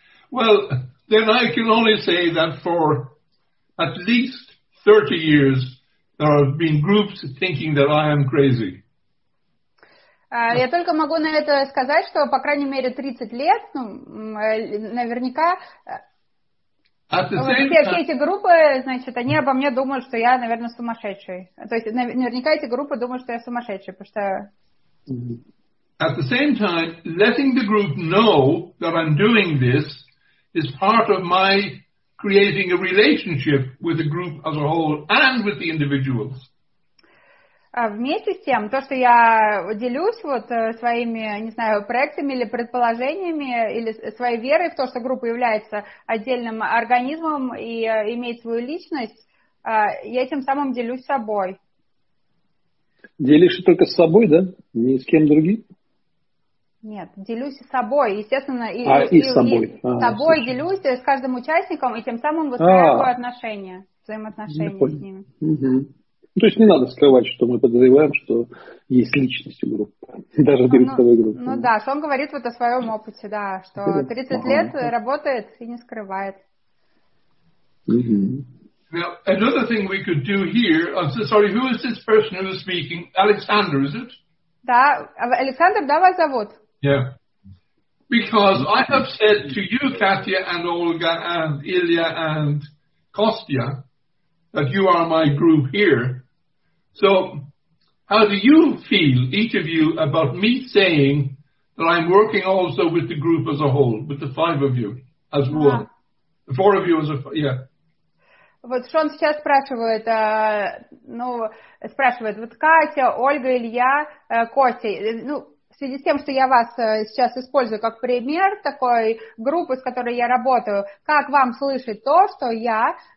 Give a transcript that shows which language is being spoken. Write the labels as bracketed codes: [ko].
[en] Well, then I can only say that for at least 30 years there have been groups thinking that I am crazy. [ru] Я только могу на это сказать, что по крайней мере 30 лет, ну, наверняка, все эти группы, значит, они обо мне думают, что я, наверное, сумасшедший. То есть наверняка эти группы думают, что я сумасшедший, потому что... [en] At the same time, letting the group know that I'm doing this is part of my creating a relationship with the group as a whole and with the individuals. [ru] Вместе с тем, то, что я делюсь вот своими, не знаю, проектами или предположениями, или своей верой в то, что группа является отдельным организмом и имеет свою личность, я тем самым делюсь собой. Делишься только с собой, да? Ни с кем другим? Нет, делюсь с собой, естественно. И с собой делюсь, с каждым участником, и тем самым выстраиваю отношения, взаимоотношения с ними. Ну, то есть не надо скрывать, что мы подозреваем, что есть личность у группы, даже директоровой группы. Ну да, что он говорит вот о своем опыте, да, что 30 лет работает и не скрывает. [en] Now, another thing we could do here, I'm so sorry, who is this person who is speaking? Александр, is it? [ru] Да, Александр, да, вас зовут? [en] Yeah. Because I have said to you, Katya, and Olga, and Ilya, and Костя, that you are my group here. So, how do you feel, each of you, about me saying that I'm working also with the group as a whole, with the five of you as one? The four of you as a... Yeah. [ru] Вот Шон сейчас спрашивает, ну, спрашивает, вот Катя, Ольга, Илья, Костя, ну, в связи с тем, что я вас сейчас использую как пример такой группы, с которой я работаю, как вам слышать то, что я...